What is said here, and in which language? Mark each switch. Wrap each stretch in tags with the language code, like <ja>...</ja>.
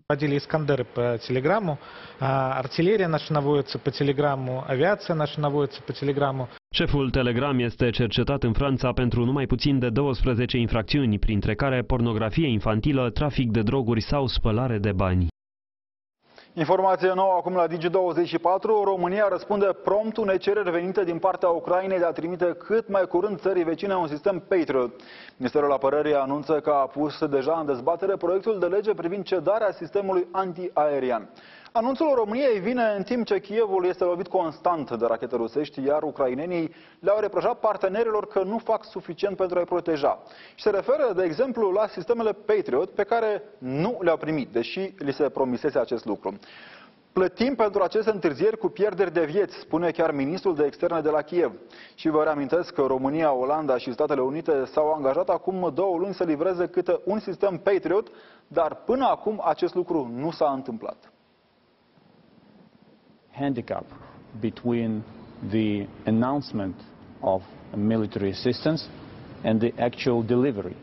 <ru>Водили Искандеры по Телеграмму, артиллерия наша наводится по Телеграмму, авиация наша наводится по Телеграмму.</ru> <ro>Șeful Telegram este cercetat în Franța pentru numai puțin de 12 infracțiuni, printre care pornografie infantilă, trafic de droguri sau spălare de bani. Informație nouă acum la Digi24. România răspunde prompt unei cereri venite din partea Ucrainei de a trimite cât mai curând țării vecine un sistem Patriot. Ministerul Apărării anunță că a pus deja în dezbatere proiectul de lege privind cedarea sistemului antiaerian. Anunțul României vine în timp ce Kievul este lovit constant de rachete rusești, iar ucrainenii le-au reproșat partenerilor că nu fac suficient pentru a-i proteja. Și se referă, de exemplu, la sistemele Patriot pe care nu le-au primit, deși li se promisese acest lucru. Plătim pentru aceste întârzieri cu pierderi de vieți, spune chiar ministrul de externe de la Kiev. Și vă reamintesc că România, Olanda și Statele Unite s-au angajat acum 2 luni să livreze câte un sistem Patriot, dar până acum acest lucru nu s-a întâmplat.</ro> <en>Handicap between the announcement of military assistance and the actual delivery.</en>